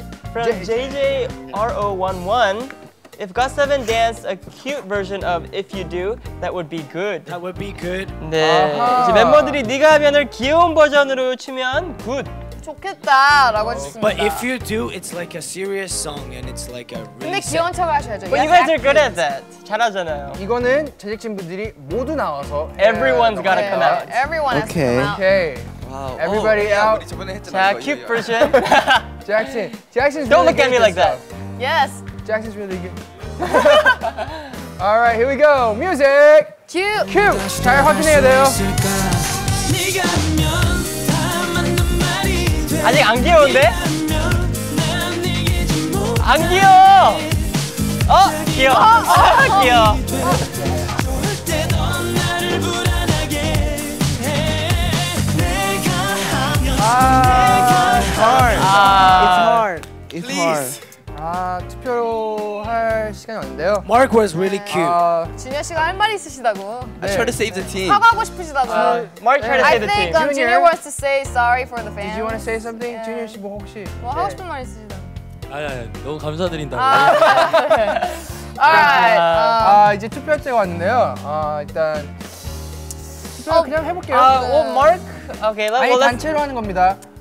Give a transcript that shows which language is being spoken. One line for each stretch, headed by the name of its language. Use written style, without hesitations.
English: From JJRO11, if GOT7 danced a cute version of If You Do, that would be good. That would be good.
Korean: 네. 멤버들이 네가 하면을 귀여운 버전으로 추면 good. 좋겠다라고 하셨습니다.
English: But if you do, it's like a serious song and it's like a really.
Korean: 근데 귀여운 척을 하셔야죠.
English: But you guys are good at that.
Korean: 잘하잖아요. 이거는 제작진분들이 모두 나와서
English: Everyone's gotta come out. Everyone has to come out. Okay. Wow. Everybody oh, yeah, out. 자, cute version. Jackson. Jackson's Don't really look at me like stuff. That. Yes. Jackson's really good. All right, here we go. Music. Cute.
Korean: Cute. 잘 확인해야 돼요. 아직 안 귀여운데? 안 귀여워. 어, 귀여워. 어, 어, 귀여워.
English: 아, it's hard. It's Please. hard.
Korean: 아, 투표로 할 시간이 왔는데요.
English: Mark was really cute.
Korean: 진현 씨가 할 말이 있으시다고.
English: I tried to save the team.
Korean: 사과하고 싶으시다고.
English: Mark tried to save the team. I think Junior wants to say sorry for the fans. Did you want to say something? Yeah. Junior 씨
Korean: 뭐 혹시? 뭐 하고 싶은 말 있으시다고. 아니, 아니, 너무 감사드린다. 아, 네.
English: All right.
Korean: 아, 이제 투표 때가 왔는데요. 아, 일단 투표 그냥 해볼게요.
English: 아, 오, Mark. Okay, let's.
Korean: 아니 단체로 하는 겁니다.